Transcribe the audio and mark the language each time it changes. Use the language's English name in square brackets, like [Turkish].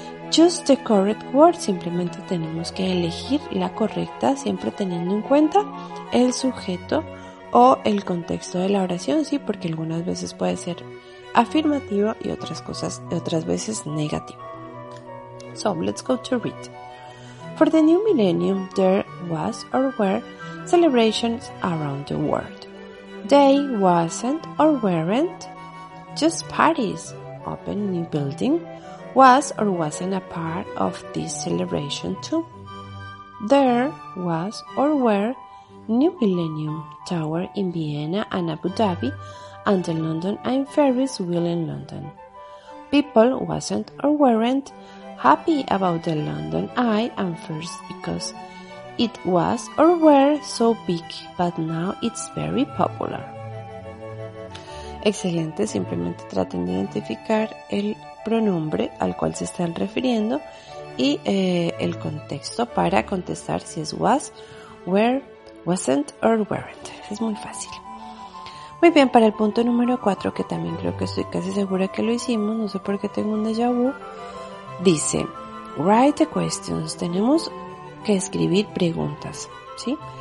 [English] Choose the correct word. [Spanish] Simplemente tenemos que elegir la correcta, siempre teniendo en cuenta el sujeto o el contexto de la oración, sí, porque algunas veces puede ser afirmativo y otras cosas, otras veces negativo. [English] So, let's go to read. For the new millennium, there was or were celebrations around the world. They wasn't or weren't just parties. Open new building was or wasn't a part of this celebration too. There was or were new millennium tower in Vienna and Abu Dhabi and the London and Ferris wheel in London. People wasn't or weren't happy about the London Eye and Ferris because it was or were so big, but now it's very popular. [Spanish] Excelente, simplemente traten de identificar el pronombre al cual se están refiriendo y el contexto para contestar si es was, were, wasn't or weren't. Es muy fácil. Muy bien, para el punto número 4, que también creo que estoy casi segura que lo hicimos, no sé por qué tengo un déjà vu, dice, [English] write the questions, [Spanish] tenemos que escribir preguntas, ¿sí?